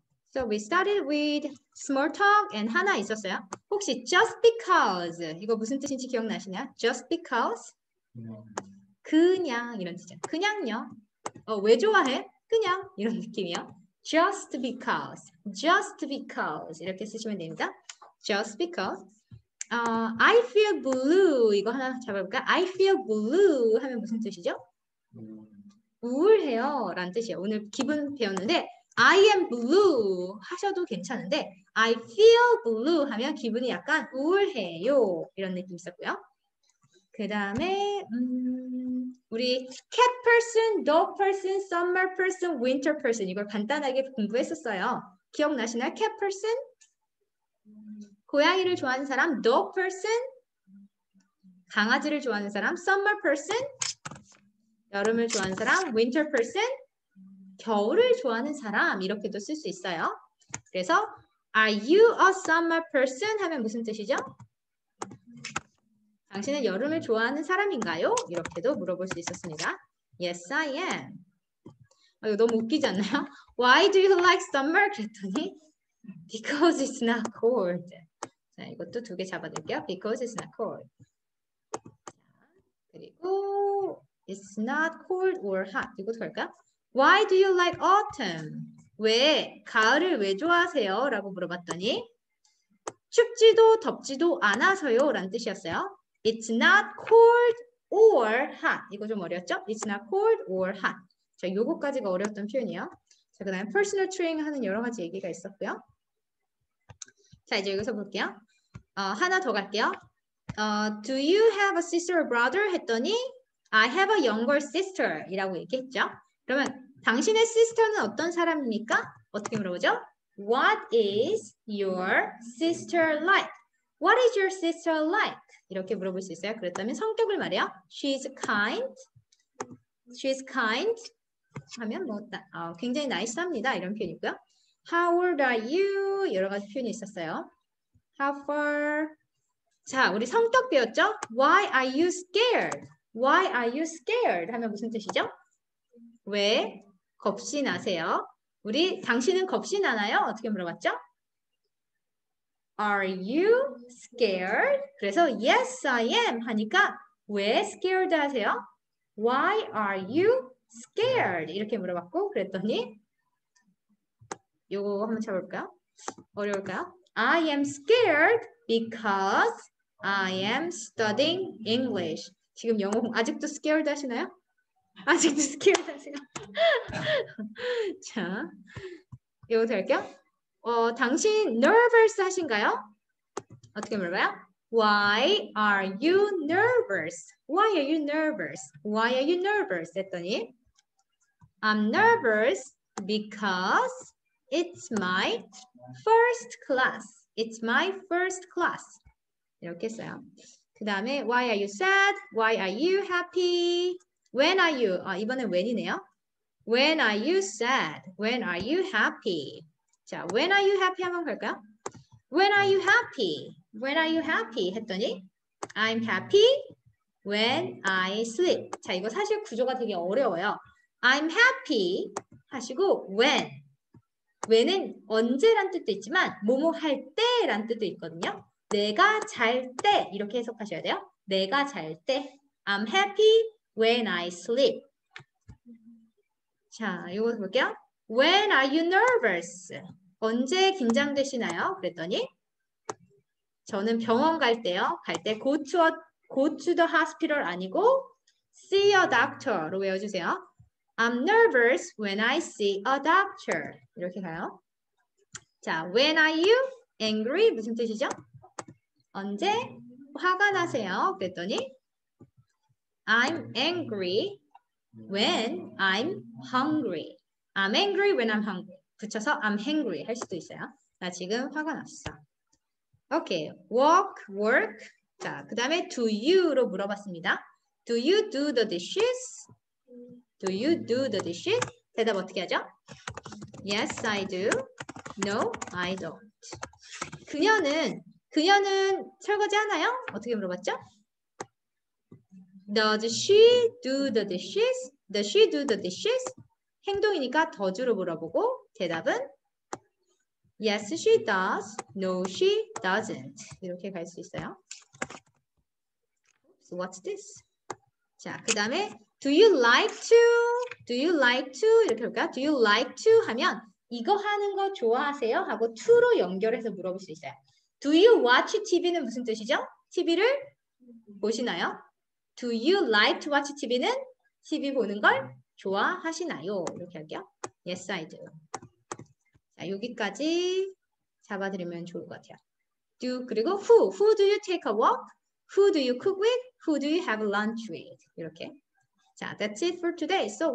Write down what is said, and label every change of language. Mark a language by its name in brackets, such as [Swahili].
[English] So we started with small talk and [Korean] 하나 있었어요. 혹시 [English] just because [Korean] 이거 무슨 뜻인지 기억나시나요? [English] Just because [Korean] 그냥 이런 뜻이죠. 그냥요. 왜 좋아해? 그냥 이런 느낌이요. [English] Just because [Korean] 이렇게 쓰시면 됩니다. [English] Just because. I feel blue [Korean] 이거 하나 잡아볼까? I feel blue 하면 무슨 뜻이죠? 우울해요 라는 뜻이에요. 오늘 기분 배웠는데 [English] I am blue [Korean] 하셔도 괜찮은데 [English] I feel blue [Korean] 하면 기분이 약간 우울해요 이런 느낌 있었고요. 그 다음에 우리 cat person, dog person, summer person, winter person 이걸 간단하게 공부했었어요. 기억나시나요? cat person? 고양이를 좋아하는 사람, dog person, 강아지를 좋아하는 사람, summer person, 여름을 좋아하는 사람, winter person, 겨울을 좋아하는 사람 이렇게도 쓸수 있어요. [English] 그래서 Are you a summer person? [Korean] 하면 무슨 뜻이죠? 당신은 여름을 좋아하는 사람인가요? 이렇게도 물어볼 수 있었습니다. [English] Yes, I am. [Korean] 이거 너무 웃기지 않나요? [English] Why do you like summer? 그랬더니 Because it's not cold. [Korean] 자, 이것도 두개 잡아둘게요. [English] Because it's not cold. 그리고 It's not cold or hot. [Korean] 이것도 할까? [English] Why do you like autumn? [Korean] 왜 가을을 왜 좋아하세요? 라고 물어봤더니 춥지도 덥지도 않아서요. 라는 뜻이었어요. [English] It's not cold or hot. [Korean] 이거 좀 어려웠죠? [English] It's not cold or hot. [Korean] 자, 요거까지가 어려웠던 표현이에요. 자, 그다음에 personal training 하는 여러 가지 얘기가 있었고요. 자, 이제 여기서 볼게요. 하나 더 갈게요. [English] Do you have a sister or brother? 했더니 I have a younger sister. [Korean] 이라고 얘기했죠. 그러면 당신의 시스터는 어떤 사람입니까? 어떻게 물어보죠? [English] What is your sister like? What is your sister like? [Korean] 이렇게 물어볼 수 있어요. 그랬다면 성격을 말해요. [English] She's kind. She's kind. [Korean] 하면 뭐, 굉장히 나이스합니다. 이런 표현이고요. [English] How old are you? [Korean] 여러 가지 표현이 있었어요. [English] How far? [Korean] 자, 우리 성격 배웠죠? [English] Why are you scared? Why are you scared? [Korean] 하면 무슨 뜻이죠? 왜 겁이 나세요? 우리 당신은 겁이 나나요? 어떻게 물어봤죠? [English] Are you scared? [Korean] 그래서 [English] yes, I am [Korean] 하니까 왜 scared 하세요? [English] Why are you scared? [Korean] 이렇게 물어봤고 그랬더니 요거 한번 쳐볼까요? 어려울까요? [English] I am scared because I am studying English. [Korean] 지금 영어 아직도 scared 하시나요? 아직도 scared 하세요? 자, 이거 될게요. 당신 nervous 하신가요? 어떻게 물어봐요? [English] Why are you nervous? Why are you nervous? Why are you nervous? 했더니 I'm nervous because it's my first class. It's my first class. [Korean] 이렇게 써요. 그 다음에 [English] Why are you sad? Why are you happy? When are you? [Korean] 이번엔 when이네요. [English] When are you sad? When are you happy? 자, when are you happy [Korean] 한번 볼까요? [English] When are you happy? When are you happy? 했더니 I'm happy when I sleep. [Korean] 자, 이거 사실 구조가 되게 어려워요. [English] I'm happy 하시고 when. [Korean] When은 언제란 뜻도 있지만 뭐뭐 할 때란 뜻도 있거든요. 내가 잘 때. 이렇게 해석하셔야 돼요. 내가 잘 때. [English] I'm happy when I sleep. [Korean] 자, 이거 볼게요. [English] When are you nervous? [Korean] 언제 긴장되시나요? 그랬더니 저는 병원 갈 때요. 갈때 go to the hospital 아니고 see a doctor로 외워주세요. [English] I'm nervous when I see a doctor. [Korean] 이렇게 가요. 자, [English] when are you angry? [Korean] 무슨 뜻이죠? 언제 화가 나세요? [English] 그랬더니 I'm angry. When I'm hungry. I'm angry when I'm hungry. [Korean] 붙여서 [English] I'm hangry [Korean] 할 수도 있어요. 나 지금 화가 났어. Okay. [English] Walk, work. [Korean] 자, 그 다음에 do you로 물어봤습니다. [English] Do you do the dishes? Do you do the dishes? [Korean] 대답 어떻게 하죠? [English] Yes, I do. No, I don't. [Korean] 그녀는 설거지 하나요? 어떻게 물어봤죠? [English] Does she do the dishes? Does she do the dishes? [Korean] 행동이니까 does로 물어보고 대답은 [English] Yes, she does. No, she doesn't. [Korean] 이렇게 갈 수 있어요. [English] So what's this? [Korean] 자, 그 다음에 [English] Do you like to? Do you like to? [Korean] 이렇게 할까? [English] Do you like to? [Korean] 하면 이거 하는 거 좋아하세요? 하고 to로 연결해서 물어볼 수 있어요. [English] Do you watch TV는 [Korean] 무슨 뜻이죠? TV를 보시나요? [English] Do you like to watch TV는 [Korean] TV 보는 걸 좋아하시나요? 이렇게 할게요. [English] Yes, I do. [Korean] 자, 여기까지 잡아드리면 좋을 것 같아요. [English] Do, 그리고 who? Who do you take a walk? Who do you cook with? Who do you have lunch with? [Korean] 이렇게. 자, [English] that's it for today. So